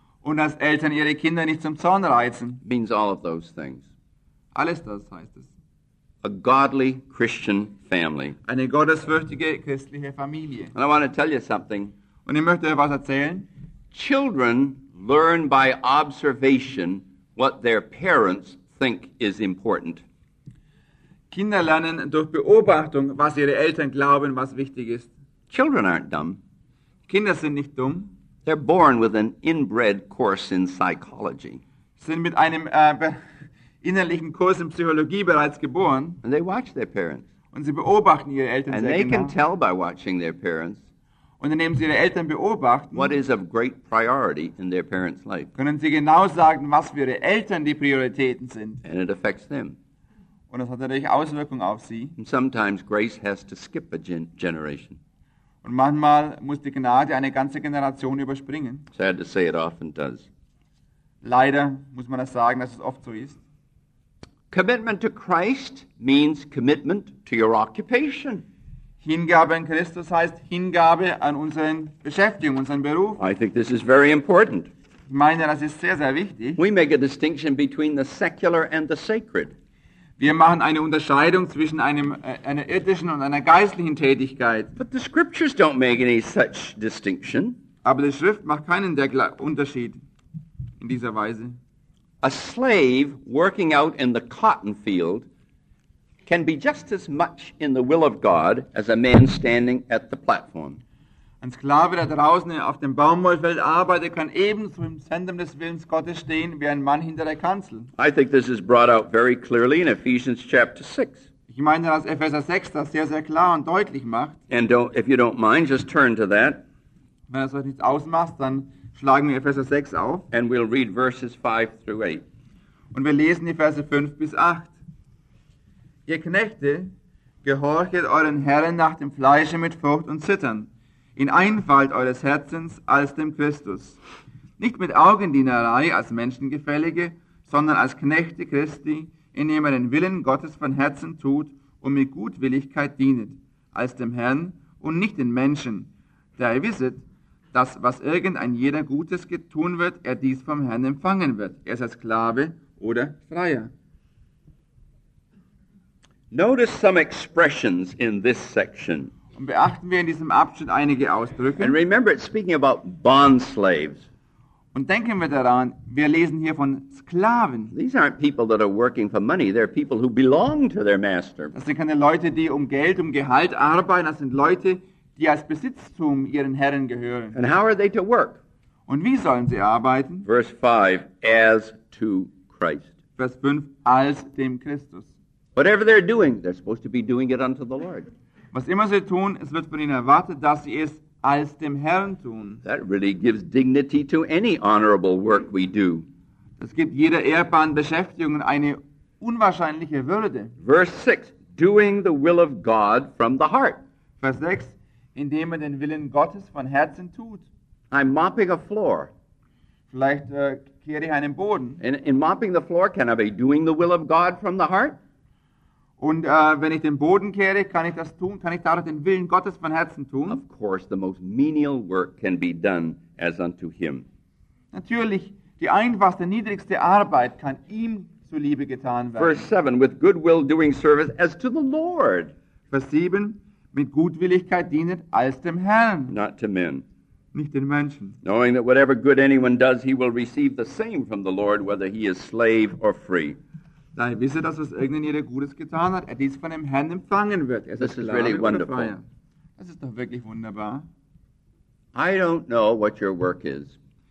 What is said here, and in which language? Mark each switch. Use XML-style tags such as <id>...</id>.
<de>Und dass Eltern ihre Kinder nicht zum Zorn reizen.</de> <en>Means all of those things.</en> <de>Alles das heißt es.</de> <en>A godly Christian family.</en> <de>Eine gottesfürchtige christliche Familie.</de> <en>And I want to tell you something.</en> <de>Und ich möchte euch was erzählen.</de> <en>Children learn by observation what their parents think is important.</en> <de>Kinder lernen durch Beobachtung, was ihre Eltern glauben, was wichtig ist.</de> <en>Children aren't dumb.</en> <de>Kinder sind nicht dumm.</de> <en>They're born with an inbred course in psychology.</en> <de>Sind mit einem innerlichen Kurs in Psychologie bereits geboren.</de> <en>And they watch their parents.</en> <de>Und sie beobachten ihre Eltern</de> <en>and</en> <de>sehr</de> <en>they</en> <de>genau.</de> <en>Can tell by watching their parents.</en> <de>Und indem sie ihre Eltern beobachten,</de> <en>what is of great priority in their parents' life.</en> <de>Können sie genau sagen, was für ihre Eltern die Prioritäten sind.</de> <en>And it affects them.</en> <de>Und das hat natürlich Auswirkungen auf sie.</de> <en>And sometimes grace has to skip a generation.</en> <de>Und manchmal muss die Gnade eine ganze Generation überspringen.</de> <en>Sad to say it often does.</en> <de>Leider muss man das sagen, dass es oft so ist.</de> <en>Commitment to Christ means commitment to your occupation.</en> <de>Hingabe an Christus heißt Hingabe an unseren Beschäftigung, unseren Beruf.</de> <en>I think this is very important.</en> <de>Ich meine, das ist sehr, sehr wichtig.</de> <en>We make a distinction between the secular and the sacred.</en> <de>Wir machen eine Unterscheidung zwischen einer irdischen und einer geistlichen Tätigkeit.</de> <en>But the scriptures don't make any such distinction.</en> <de>Aber die Schrift macht keinen der Unterschied in dieser Weise.</de> <en>A slave working out in the cotton field can be just as much in the will of God as a man standing at the platform.</en> <de>Ein Sklave, der draußen auf dem Baumwollfeld arbeitet, kann ebenso im Zentrum des Willens Gottes stehen wie ein Mann hinter der Kanzel.</de> <en>I think this is brought out very clearly in Ephesians chapter 6.</en> <de>Ich meine, dass Epheser 6 das sehr, sehr klar und deutlich macht.</de> <en>And if you don't mind, just turn to that.</en> <de>Wenn es euch nichts ausmacht, dann schlagen wir Epheser 6 auf.</de> <en>And we'll read verses 5 through 8.</en> <de>Und wir lesen die Verse 5 bis 8. Ihr Knechte, gehorchet euren Herren nach dem Fleische mit Furcht und Zittern. In Einfalt eures Herzens als dem Christus. Nicht mit Augendienerei als Menschengefällige, sondern als Knechte Christi, indem er den Willen Gottes von Herzen tut und mit Gutwilligkeit dienet, als dem Herrn und nicht den Menschen, da ihr wisset, dass was irgendein jeder Gutes tun wird, er dies vom Herrn empfangen wird, er sei Sklave oder Freier.</de> <en>Notice some expressions in this section.</en> <de>Und beachten wir in diesem Abschnitt einige Ausdrücke.</de> <en>And remember, it's speaking about bond slaves.</en> <de>Und denken wir daran, wir lesen hier von Sklaven.</de> <en>These aren't people that are working for money. They're people who belong to their master.</en> <de>Das sind keine Leute, die um Geld, um Gehalt arbeiten. Das sind Leute, die als Besitztum ihren Herren gehören.</de> <en>And how are they to work?</en> <de>Und wie sollen sie arbeiten?</de> <en>Verse 5, as to Christ.</en> <de>Vers 5, als dem Christus.</de> <en>Whatever they're doing, they're supposed to be doing it unto the Lord.</en> <de>Was immer sie tun, es wird von ihnen erwartet, dass sie es als dem Herrn tun.</de> <en>That really gives dignity to any honorable work we do.</en> <de>Es gibt jeder ehrbaren Beschäftigung eine unwahrscheinliche Würde.</de> <en>Verse 6, doing the will of God from the heart.</en> <de>Vers 6, indem man den Willen Gottes von Herzen tut.</de> <en>I'm mopping a floor.</en> <de>Vielleicht kehre ich einen Boden.</de> <en>In mopping the floor, can I be doing the will of God from the heart?</en> <de>Und wenn ich den Boden kehre, kann ich das tun? Kann ich dadurch den Willen Gottes von Herzen tun?</de> <en>Of course, the most menial work can be done as unto Him.</en> <de>Natürlich, die einfachste, niedrigste Arbeit kann ihm zuliebe getan werden.</de> <en>Verse 7, with goodwill doing service as to the Lord.</en> <de>Vers 7, mit Gutwilligkeit dienet als dem Herrn.</de> <en>Not to men.</en> <de>Nicht den Menschen.</de> <en>Knowing that whatever good anyone does, he will receive the same from the Lord, whether he is slave or free.</en> <de>Da ich wisse, dass was irgendjemand Gutes getan hat, er dies von dem Herrn empfangen wird. Es</de> <en>This</en> <de>ist</de> <en>is really wonderful.</en> <de>Das ist doch wirklich wunderbar.</de> <en>I don't know what your work is.</en>